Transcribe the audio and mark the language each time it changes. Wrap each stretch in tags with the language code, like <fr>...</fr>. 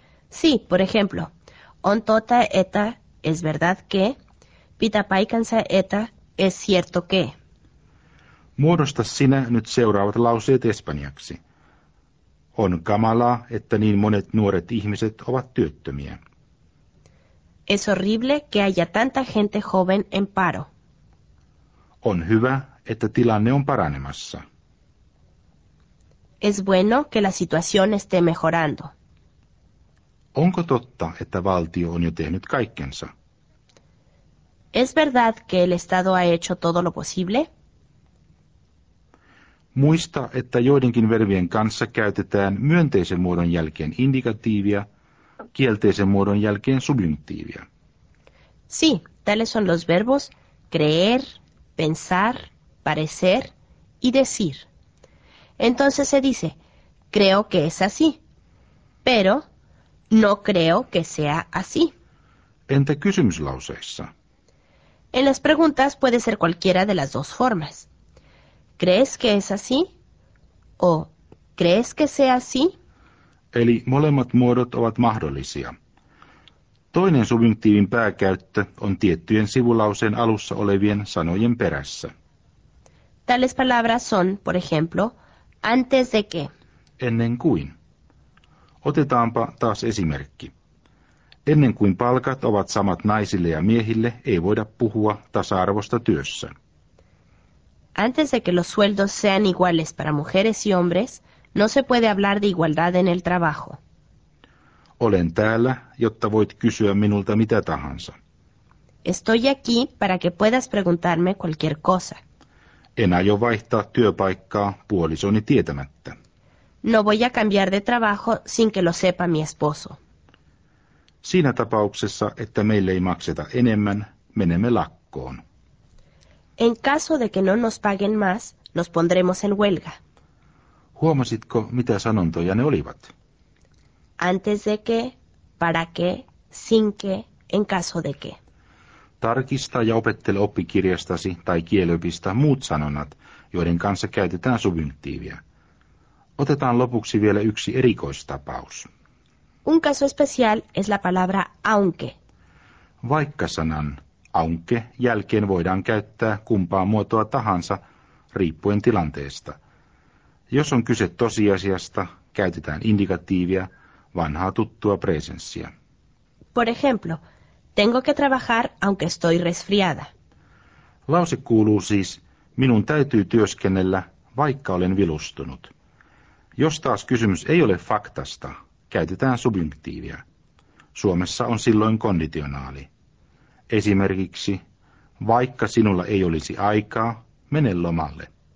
<es>Sí, por ejemplo,</es> <fi>on tota että,</fi> <es>es verdad que,</es> <fi>pitää paikansa että,</fi> <es>es cierto que.</es> <fi>Muodosta sinä nyt seuraavat lauseet espanjaksi. On kamalaa, että niin monet nuoret ihmiset ovat työttömiä.</fi> <es>Es horrible que haya tanta gente joven en paro.</es> <fi>On hyvä, että tilanne on paranemassa.</fi> <es>Es bueno que la situación esté mejorando.</es> <fi>Onko totta, että valtio on jo tehnyt kaikkensa?</fi> <es>Es verdad que el Estado ha hecho todo lo posible?</es> <fi>Muista, että joidenkin verbien kanssa käytetään myönteisen muodon jälkeen indikatiivia, kielteisen muodon jälkeen subjunktiivia.</fi> <es>Sí, tales son los verbos creer, pensar, parecer y decir. Entonces se dice, creo que es así, pero no creo que sea así.</es> <fi>Entä kysymyslauseissa?</fi> <es>En las preguntas puede ser cualquiera de las dos formas. ¿Crees que es así? ¿O crees que sea así?</es> <fi>Eli molemmat muodot ovat mahdollisia. Toinen subjunktiivin pääkäyttö on tiettyjen sivulauseen alussa olevien sanojen perässä.</fi> <es>Tales palabras son, por ejemplo, antes de que.</es> <fi>Ennen kuin. Otetaanpa taas esimerkki. Ennen kuin palkat ovat samat naisille ja miehille, ei voida puhua tasa-arvosta työssä.</fi> <es>Antes de que los sueldos sean iguales para mujeres y hombres, no se puede hablar de igualdad en el trabajo.</es> <fi>Olen täällä, jotta voit kysyä minulta mitä tahansa.</fi> <es>Estoy aquí para que puedas preguntarme cualquier cosa.</es> <fi>En aio vaihtaa työpaikkaa puolisoni tietämättä.</fi> <es>No voy a cambiar de trabajo sin que lo sepa mi esposo.</es> <fi>Siinä tapauksessa, että meille ei makseta enemmän, menemme lakkoon.</fi> <es>En caso de que no nos paguen más, nos pondremos en huelga.</es> <fi>Huomasitko, mitä sanontoja ne olivat?</fi> <es>Antes de que, para que, sin que, en caso de que.</es> <fi>Tarkista ja opettele oppikirjastasi tai kieliopista muut sanonnat, joiden kanssa käytetään subjunktiivia. Otetaan lopuksi vielä yksi erikoistapaus.</fi> <es>Un caso especial es la palabra aunque.</es> <fi>Vaikka sanan aunque jälkeen voidaan käyttää kumpaa muotoa tahansa, riippuen tilanteesta. Jos on kyse tosiasiasta, käytetään indikatiivia, vanhaa tuttua presenssia.</fi> <es>Por ejemplo, Tengo que trabajar, aunque estoy resfriada.</es> <fi>Lause kuuluu siis, minun täytyy työskennellä, vaikka olen vilustunut. Jos taas kysymys ei ole faktasta, käytetään subjunktiivia. Suomessa on silloin konditionaali. Esimerkiksi, vaikka sinulla ei olisi aikaa, mene lomalle.</fi>